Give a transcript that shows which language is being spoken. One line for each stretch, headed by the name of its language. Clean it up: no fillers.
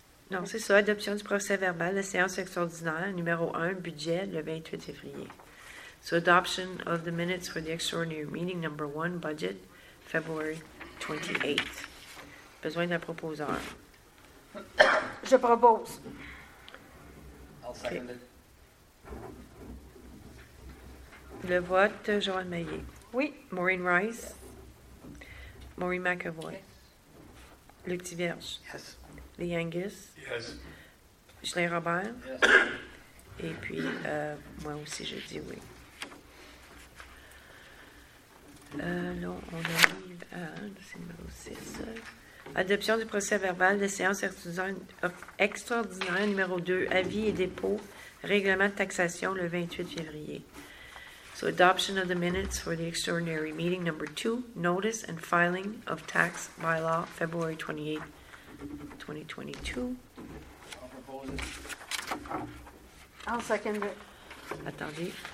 French: Non, c'est ça, adoption du procès-verbal, la séance extraordinaire, numéro 1, budget, le 28 février.
English: So, adoption of the minutes for the extraordinary meeting, number 1, budget, February 28th.
French: Besoin d'un proposeur. Je propose.
English: I'll second it.
French: Le vote, Joanne Meillier. Oui. Maureen Rice.
English: Yes.
French: Maureen McAvoy.
English: Yes.
French: Luc Divierge.
English: Yes.
French: Lee Angus.
English: Yes.
French: Julien Robert.
English: Yes.
French: Et puis, moi aussi, je dis oui. Là, on arrive à... C'est numéro 6. Adoption du procès-verbal de séance extraordinaire numéro 2, avis et dépôt, règlement de taxation, le 28 février.
English: So, adoption of the minutes for the extraordinary meeting number 2, notice and filing of tax bylaw, February 28, 2022. I'll second it.
French: Attendez.